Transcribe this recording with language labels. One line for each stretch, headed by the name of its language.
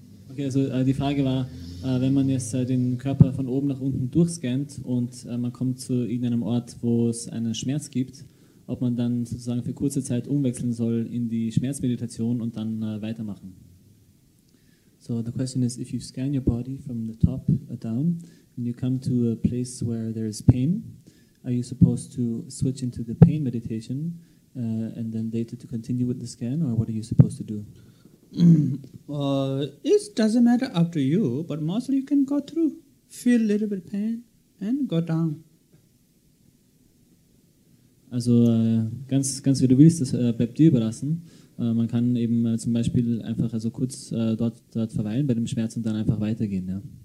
German: Okay, also die Frage war, wenn man jetzt den Körper von oben nach unten durchscannt und man kommt zu irgendeinem Ort, wo es einen Schmerz gibt, ob man dann sozusagen für kurze Zeit umwechseln soll in die Schmerzmeditation und dann weitermachen.
English: So the question is, if you scan your body from the top down and you come to a place where there is pain, are you supposed to switch into the pain meditation and then later to continue with the scan, or what are you supposed to do? It doesn't matter up to you, but mostly you can go through, feel a little bit pain, and go down.
German: Also ganz wie du willst, das bleibt dir überlassen. Man kann eben zum Beispiel einfach also kurz dort verweilen bei dem Schmerz und dann einfach weitergehen, ja.